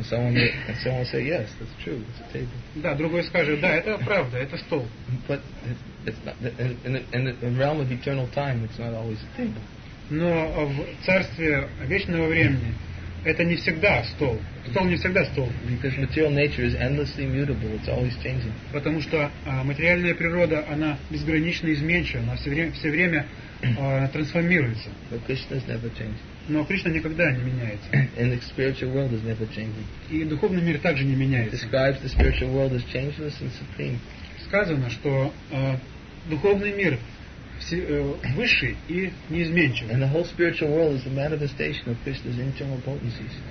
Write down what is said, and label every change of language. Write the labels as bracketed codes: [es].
[en] Someone say yes, that's true, it's a table. [ru] Да, другой скажет, да, это правда, это стол. [en] But it's not in the realm of eternal time, it's not always a table. [ru] Но в царстве вечного времени это не всегда стол. Стол не всегда стол. [en] Because material nature is endlessly mutable, it's always changing. [ru] Потому что материальная природа она безгранично изменчива, она все время трансформируется. [en] But Krishna is never changing. [ru] Но Кришна никогда не меняется. [en] And the spiritual world is never changing. [ru] И духовный мир также не меняется. [en] Describes the spiritual world as changeless and supreme. [ru] Сказано, что духовный мир высший и неизменчивый. [en] And the whole spiritual world is the manifestation of Krishna's internal potencies.